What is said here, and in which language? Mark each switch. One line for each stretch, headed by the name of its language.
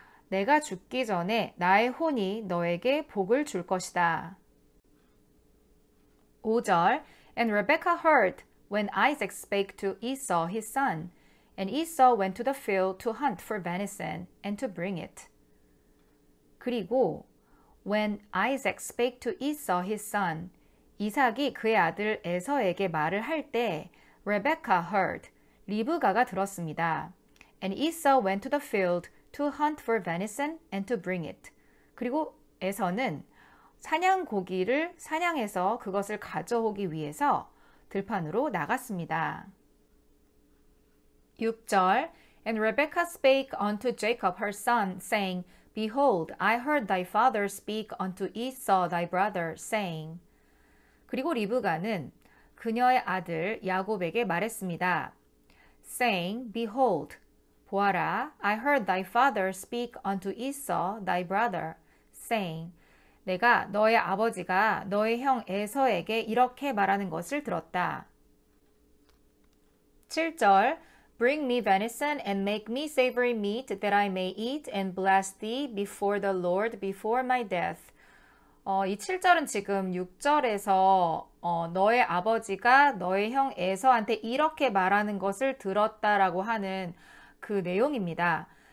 Korean: 내가 죽기 전에 나의 혼이 너에게 복을 줄 것이다.
English: 5절 And Rebekah heard when Isaac spake to Esau his son. And Esau went to the field to hunt for venison and to bring it.
Korean: 그리고
English: when Isaac spake to Esau his son.
Korean: 이삭이 그의 아들 에서에게 말을 할 때
English: Rebekah heard,
Korean: 리브가가 들었습니다.
English: And Esau went to the field to hunt for venison and to bring it.
Korean: 그리고 에서는 사냥고기를 사냥해서 그것을 가져오기 위해서 들판으로 나갔습니다.
English: 6절 And Rebekah spake unto Jacob her son, saying, Behold, I heard thy father speak unto Esau thy brother, saying,
Korean: 그리고 리브가는 그녀의 아들 야곱에게 말했습니다.
English: saying, Behold,
Korean: 보아라,
English: I heard thy father speak unto Esau, thy brother, saying,
Korean: 내가 너의 아버지가 너의 형 에서에게 이렇게 말하는 것을 들었다.
English: 7절, Bring me venison and make me savory meat that I may eat and bless thee before the Lord before my death.
Korean: 이 7절은 지금 6절에서 너의 아버지가 너의 형 에서한테 이렇게 말하는 것을 들었다라고 하는 그 내용입니다.